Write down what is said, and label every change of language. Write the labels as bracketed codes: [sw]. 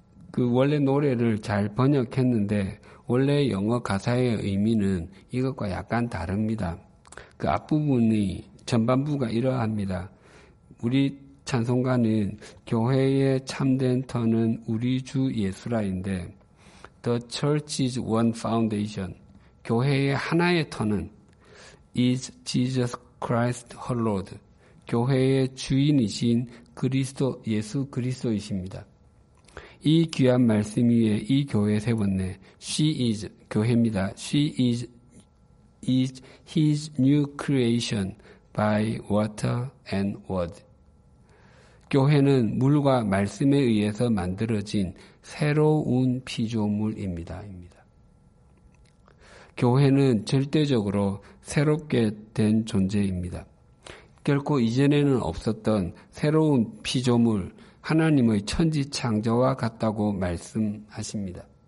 [ko] 그 원래 노래를 잘 번역했는데 원래 영어 가사의 의미는 이것과 약간 다릅니다. 그 앞부분이 전반부가 이러합니다. 우리 찬송가는 교회의 참된 터는 우리 주 예수라인데 [en] The church is one foundation. [ko] 교회의 하나의 터는 [en] is Jesus Christ her Lord. [ko] 교회의 주인이신 그리스도 예수 그리스도이십니다. 이 귀한 말씀 위에 이 교회 세웠네. [en] She is [ko] 교회입니다. [en] She is his new creation by water and word. [ko] 교회는 물과 말씀에 의해서 만들어진 새로운 피조물입니다. 교회는 절대적으로 새롭게 된 존재입니다. 결코 이전에는 없었던 새로운 피조물, 하나님의 천지 창조와 같다고 말씀하십니다.